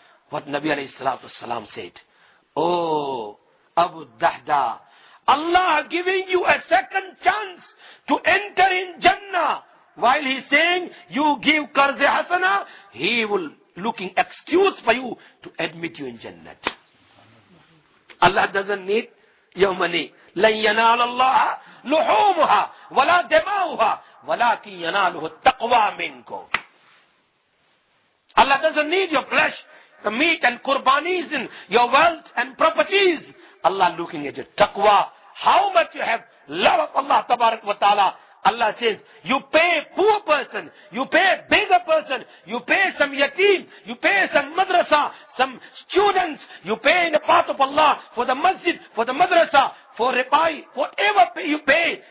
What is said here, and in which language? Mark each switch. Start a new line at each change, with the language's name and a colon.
English: What Nabi alayhi salatu wasalam said, oh Abu Dahda, Allah giving you a second chance to enter in Jannah, while he saying you give qarz hasana, he will looking excuse for you to admit you in Jannah. Allah doesn't need your money.
Arabic: لن ينال الله لحومها ولا دماؤها ولكن يناله التقوى منكم.
English: Allah doesn't need your flesh, the meat and qurbanis and your wealth and properties. Allah looking at your taqwa, how much you have love of Allah tabarak wa ta'ala. Allah says, you pay poor person, you pay beggar person, you pay some yateen, you pay some madrasa, some students, you pay in the path of Allah for the masjid, for the madrasa, for ripai, whatever pay you pay.